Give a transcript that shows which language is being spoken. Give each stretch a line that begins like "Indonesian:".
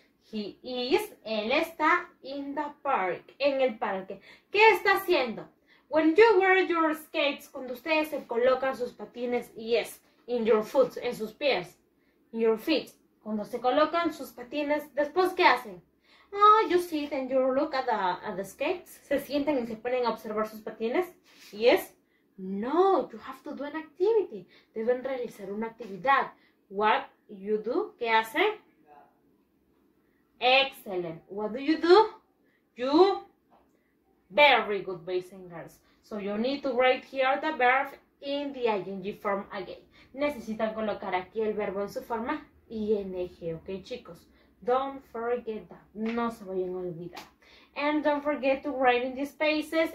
English: He is,
Spanish: él está
English: in the park,
Spanish: en el parque. ¿Qué está haciendo?
English: When you wear your skates,
Spanish: cuando ustedes se colocan sus patines,
English: yes, in your foot,
Spanish: en sus pies,
English: in your feet.
Spanish: Cuando se colocan sus patines, ¿después qué hacen?
English: Oh, you sit and you look at the skates.
Spanish: ¿Se sienten y se ponen a observar sus patines?
English: Yes. No, you have to do an activity.
Spanish: Deben realizar una actividad.
English: What you do?
Spanish: ¿Qué hace?
English: Excellent. What do you do? You, very good, boys and girls. So you need to write here the verb in the ing form again.
Spanish: Necesitan colocar aquí el verbo en su forma ing, ok, chicos.
English: Don't forget that.
Spanish: No se vayan a olvidar.
English: And don't forget to write in the spaces.